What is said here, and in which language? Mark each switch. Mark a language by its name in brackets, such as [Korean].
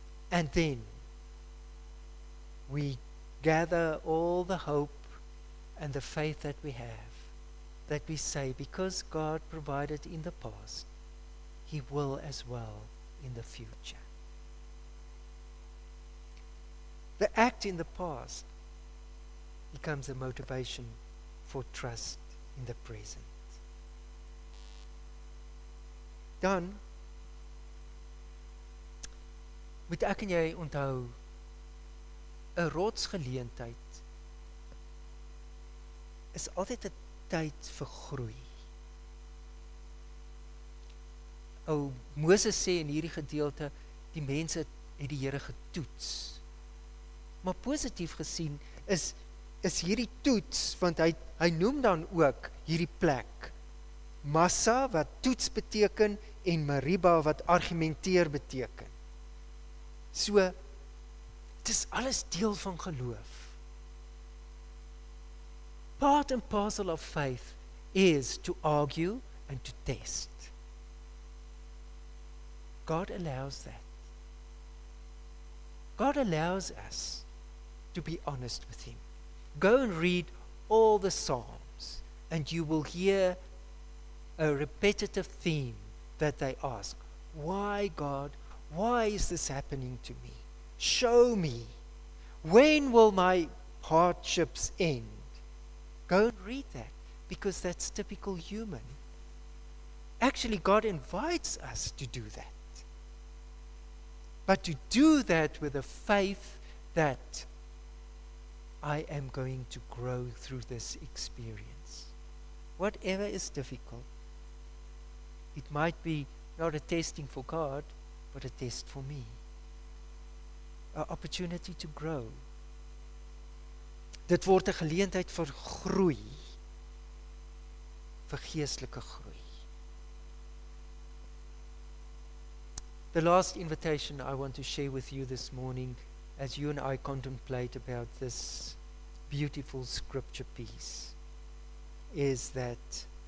[English] And then we gather all the hope and the faith that we have, that we say, because God provided in the past, He will as well in the future. The act in the past becomes a motivation for trust in the present. [Afrikaans] Dan moet ek en jy onthou, 'n rotsgeleentheid is altyd 'n tyd vir groei. O, Moses sê in hierdie gedeelte, die mense het die Here getoets. Maar positief gesien is hierdie toets, want hy noem dan ook hierdie plek Massa, wat toets beteken, en Meriba, wat argumenteer beteken. So, het is alles deel van geloof. [English] Part and parcel of faith is to argue and to test. God allows that. God allows us to be honest with Him. Go and read all the Psalms, and you will hear a repetitive theme that they ask. Why, God? Why is this happening to me? Show me. When will my hardships end? Go and read that, because that's typical human. Actually, God invites us to do that. But to do that with a faith that I am going to grow through this experience. Whatever is difficult, it might be not a testing for God, but a test for me. An opportunity to grow. [Afrikaans] Dit word 'n geleentheid vir groei, vir geestelike groei. [English] The last invitation I want to share with you this morning, as you and I contemplate about this beautiful scripture piece, is that